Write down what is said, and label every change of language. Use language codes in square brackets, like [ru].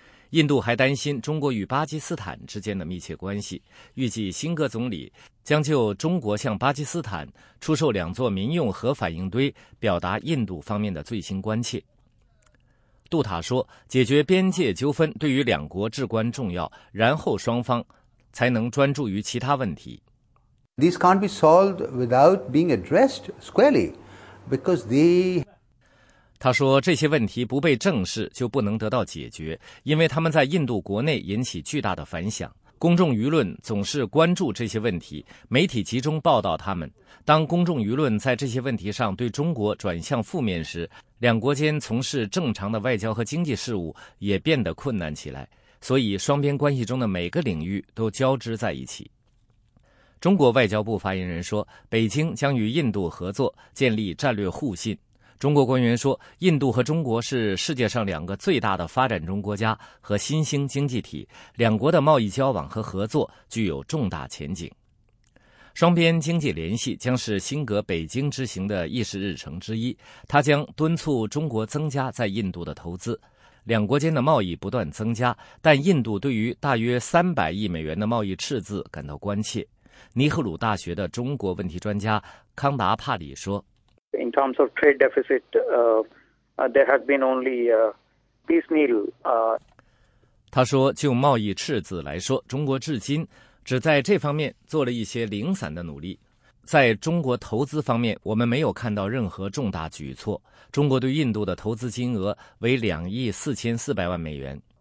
[zh] 印度还担心中国与巴基斯坦之间的密切关系，预计辛格总理将就中国向巴基斯坦出售两座民用核反应堆表达印度方面的最新关切。杜塔说，解决边界纠纷对于两国至关重要，然后双方才能专注于其他问题。 [en] This can't be solved without being addressed squarely because the [zh] 他说这些问题不被正视就不能得到解决，因为他们在印度国内引起巨大的反响，公众舆论总是关注这些问题，媒体集中报道他们。当公众舆论在这些问题上对中国转向负面时，两国间从事正常的外交和经济事务也变得困难起来，所以双边关系中的每个领域都交织在一起。中国外交部发言人说，北京将与印度合作建立战略互信。中国官员说，印度和中国是世界上两个最大的发展中国家和新兴经济体，两国的贸易交往和合作具有重大前景。双边经济联系将是辛格北京之行的议事日程之一，他将敦促中国增加在印度的投资。两国间的贸易不断增加，但印度对于大约300亿美元的贸易赤字感到关切。尼赫鲁大学的中国问题专家康达帕里说， [en] In terms of trade deficit, there has been only piecemeal. [zh] 他说，就贸易赤字来说，中国至今只在这方面做了一些零散的努力。在中国投资方面，我们没有看到任何重大举措。中国对印度的投资金额为2亿4400万美元。